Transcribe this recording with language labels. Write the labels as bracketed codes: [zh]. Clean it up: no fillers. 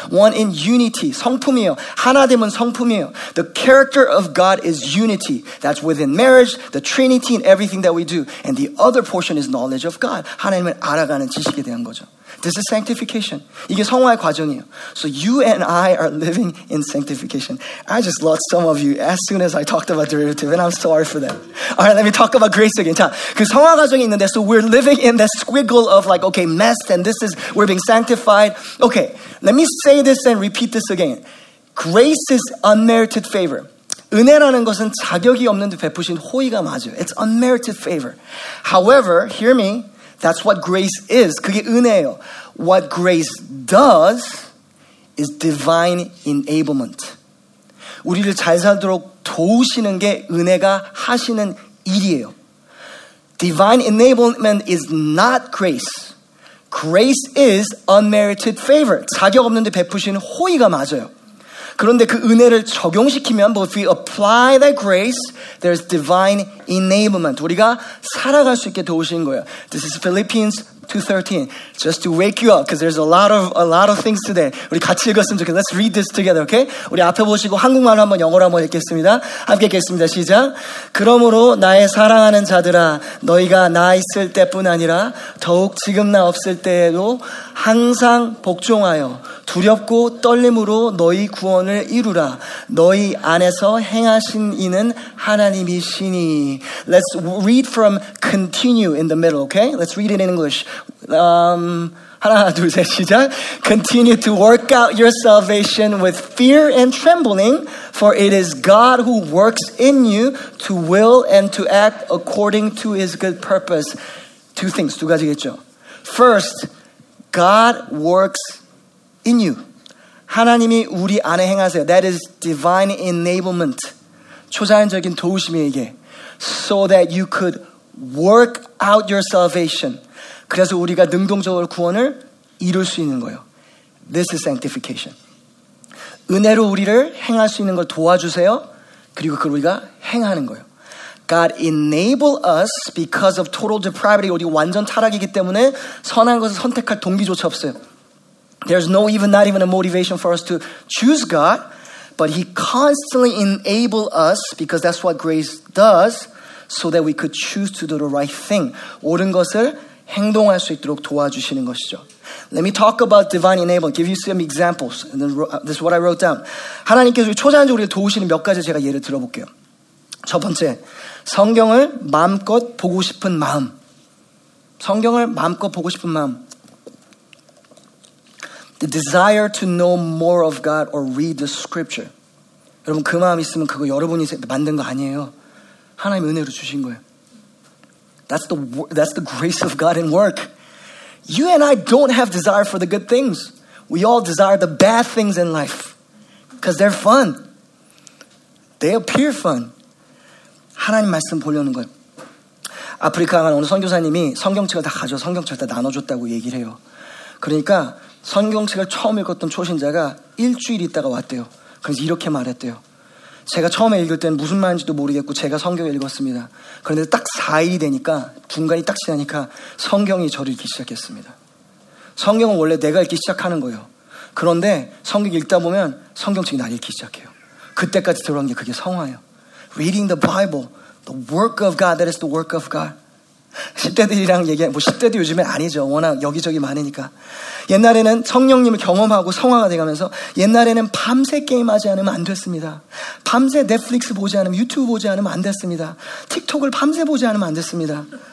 [en] One in unity, [ko] 성품이에요. 하나 되면 성품이에요. [en] The character of God is unity. That's within marriage, the Trinity, and everything that we do. And the other portion is knowledge of God. [ko] 하나님을 알아가는 지식에 대한 거죠. [en] This is sanctification. [ko] 이게 성화의 과정이에요. [en] So you and I are living in sanctification. I just lost some of you as soon as I talked about derivative, and I'm sorry for that. All right, let me talk about grace again. [ko] 자, 그 성화 과정이 있는데, [en] so we're living in that squiggle of like, okay, messed, and this is, we're being sanctified. Okay, let me say this and repeat this again. Grace is unmerited favor. [ko] 은혜라는 것은 자격이 없는데 베푸신 호의가 맞아요. [en] It's unmerited favor. However, hear me, that's what grace is. [ko] 그게 은혜예요. [en] What grace does is divine enablement. [ko] 우리를 잘 살도록 도우시는 게 은혜가 하시는 일이에요. [en] Divine enablement is not grace. Grace is unmerited favor. [ko] 자격 없는데 베푸신 호의가 맞아요. 그런데 그 은혜를 적용시키면, [en] but if we apply that grace, there's divine enablement. [ko] 우리가 살아갈 수 있게 도우신 거예요. [en] This is Philippians 2:13. Just to wake you up, because there's a lot of things today. [ko] 우리 같이 읽었으면 좋겠어요. [en] Let's read this together, okay? [ko] 우리 앞에 보시고 한국말로 한번 영어로 한번 읽겠습니다. 함께 읽겠습니다. 시작. 그러므로 나의 사랑하는 자들아, 너희가 나 있을 때뿐 아니라 더욱 지금 나 없을 때에도 항상 복종하여 두렵고 떨림으로 너희 구원을 이루라. 너희 안에서 행하신 이는 하나님이시니. [en] Let's read from continue in the middle, okay? Let's read it in English. [ko] 하나, 둘, 셋, 시작. [en] Continue to work out your salvation with fear and trembling, for it is God who works in you to will and to act according to his good purpose. Two things, [ko] 두 가지겠죠. [en] First, God works in you. [ko] 하나님이 우리 안에 행하세요. [en] That is divine enablement. [ko] 초자연적인 도우심이에요, 이게. [en] So that you could work out your salvation. [ko] 그래서 우리가 능동적으로 구원을 이룰 수 있는 거예요. [en] This is sanctification. [ko] 은혜로 우리를 행할 수 있는 걸 도와주세요. 그리고 그걸 우리가 행하는 거예요. [en] God enable us because of total depravity. [ko] 우리 완전 타락이기 때문에 선한 것을 선택할 동기조차 없어요. [en] There's no even, not even a motivation for us to choose God, but he constantly enable us because that's what grace does so that we could choose to do the right thing. [ko] 옳은 것을 행동할 수 있도록 도와주시는 것이죠. [en] Let me talk about divine enablement. Give you some examples. And then, this is what I wrote down. [ko] 하나님께서 초자연적으로 도우시는 몇 가지 제가 예를 들어볼게요. 첫 번째, 성경을 마음껏 보고 싶은 마음. 성경을 마음껏 보고 싶은 마음. [en] The desire to know more of God or read the scripture. [ko] 여러분, 그 마음 있으면 그거 여러분이 만든 거 아니에요. 하나님 은혜로 주신 거예요. [en] That's the grace of God in work. You and I don't have desire for the good things. We all desire the bad things in life because they're fun. They appear fun. [ko] 하나님 말씀 보려는 거예요. 아프리카 간 어느 선교사님이 성경책을 다 가져 성경책을 다 나눠줬다고 얘기를 해요. 그러니까 성경책을 처음 읽었던 초신자가 일주일 있다가 왔대요. 그래서 이렇게 말했대요. 제가 처음에 읽을 때는 무슨 말인지도 모르겠고 제가 성경을 읽었습니다. 그런데 딱 4일이 되니까 중간이 딱 지나니까 성경이 저를 읽기 시작했습니다. 성경은 원래 내가 읽기 시작하는 거예요. 그런데 성경 읽다 보면 성경책이 나 읽기 시작해요. 그때까지 들어온 게 그게 성화예요. [en] Reading the Bible, the work of God, that is the work of God. [ko] 10대들이랑 얘기해, 뭐 10대도 요즘엔 아니죠. 워낙 여기저기 많으니까. 옛날에는 성령님을 경험하고 성화가 돼가면서 옛날에는 밤새 게임하지 않으면 안 됐습니다. 밤새 넷플릭스 보지 않으면 유튜브 보지 않으면 안 됐습니다. 틱톡을 밤새 보지 않으면 안 됐습니다.